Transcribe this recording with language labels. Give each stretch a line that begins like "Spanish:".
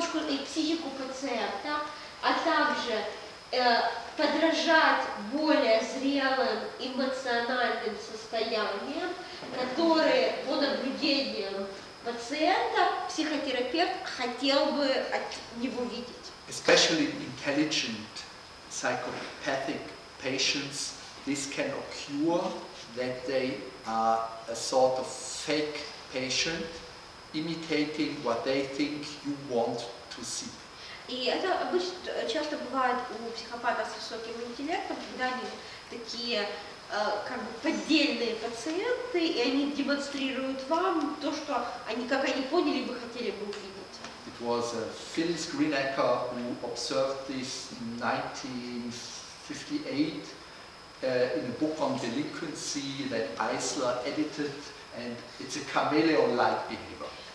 Russian: и психику пациента, а также подражать более зрелым эмоциональным состояниям, которые по наблюдениям пациента психотерапевт хотел бы от него видеть.
English: Especially intelligent psychopathic patients, this can occur that they are a sort of fake patient, imitating what they think you want to see.
Russian: И это обычно часто бывает у психопатов с высоким интеллектом, когда они такие как бы поддельные пациенты, и они демонстрируют вам то, что они, как они поняли, бы хотели бы увидеть.
English: It was Phyllis Greenacker who observed this in 1958 in a book on delinquency that Eisler edited, and it's a chameleon-like behavior.